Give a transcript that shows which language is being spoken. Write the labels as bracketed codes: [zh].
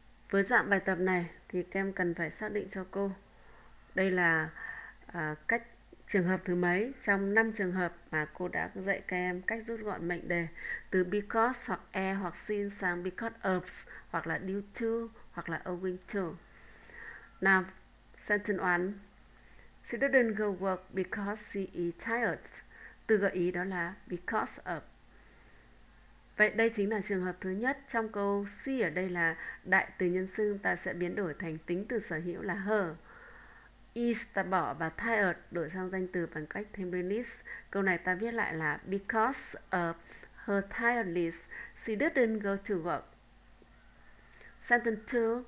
[vi] Với dạng bài tập này thì các em cần phải xác định cho cô đây là cách trường hợp thứ mấy trong 5 trường hợp mà cô đã dạy các em cách rút gọn mệnh đề từ because hoặc e hoặc since sang because of hoặc là due to hoặc là owing to. [en] Now, sentence 1. She didn't go work because she is tired. [vi] Từ gợi ý đó là because of. Vậy đây chính là trường hợp thứ nhất trong câu she. Ở đây là đại từ nhân xưng, ta sẽ biến đổi thành tính từ sở hữu là her. Is ta bỏ và tired đổi sang danh từ bằng cách thêm is. Câu này ta viết lại là [en] because of her tiredness, she didn't go to work. Sentence 2.